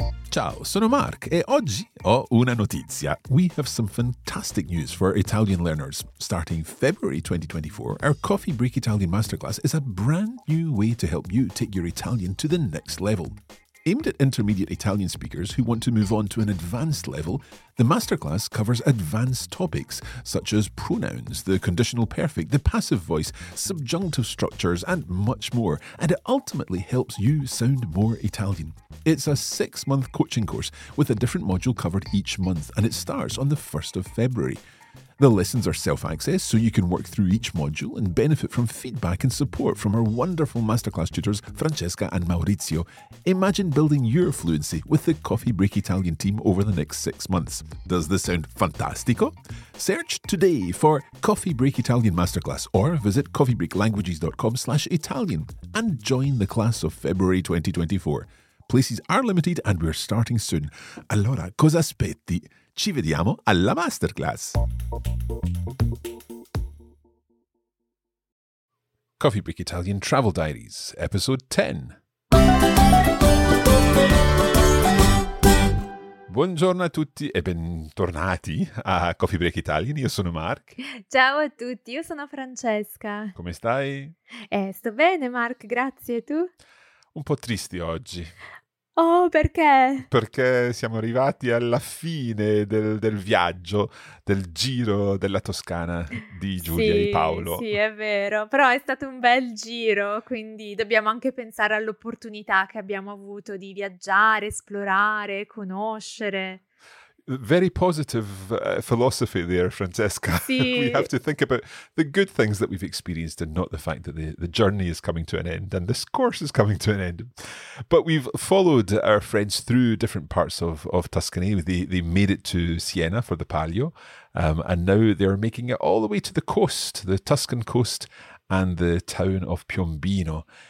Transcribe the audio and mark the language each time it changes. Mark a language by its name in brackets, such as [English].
[Italian] Ciao, sono Mark e oggi ho una notizia. [English] We have some fantastic news for Italian learners. Starting February 2024, our Coffee Break Italian Masterclass is a brand new way to help you take your Italian to the next level. Aimed at intermediate Italian speakers who want to move on to an advanced level, the masterclass covers advanced topics such as pronouns, the conditional perfect, the passive voice, subjunctive structures, and much more, and it ultimately helps you sound more Italian. It's a six-month coaching course with a different module covered each month, and it starts on the 1st of February. The lessons are self-access, so you can work through each module and benefit from feedback and support from our wonderful masterclass tutors, Francesca and Maurizio. Imagine building your fluency with the Coffee Break Italian team over the next 6 months. Does this sound fantastico? Search today for Coffee Break Italian Masterclass or visit coffeebreaklanguages.com/Italian and join the class of February 2024. Places are limited and we're starting soon. [Italian] Allora, cosa aspetti? Ci vediamo alla masterclass. [English] Coffee Break Italian Travel Diaries, Episode 10. [Italian] Buongiorno a tutti e bentornati a Coffee Break Italian. Io sono Mark. Ciao a tutti, io sono Francesca. Come stai? Sto bene, Mark, grazie. E tu? Un po' tristi oggi. Oh, perché? Perché siamo arrivati alla fine del viaggio, del giro della Toscana di Giulia sì, e Paolo. Sì, è vero, però è stato un bel giro, quindi dobbiamo anche pensare all'opportunità che abbiamo avuto di viaggiare, esplorare, conoscere. [English] Very positive philosophy there, Francesca. [Italian] Sì. [English] We have to think about the good things that we've experienced and not the fact that the journey is coming to an end and this course is coming to an end. But we've followed our friends through different parts of Tuscany. They made it to Siena for the Palio, and now they're making it all the way to the coast, the Tuscan coast and the town of Piombino.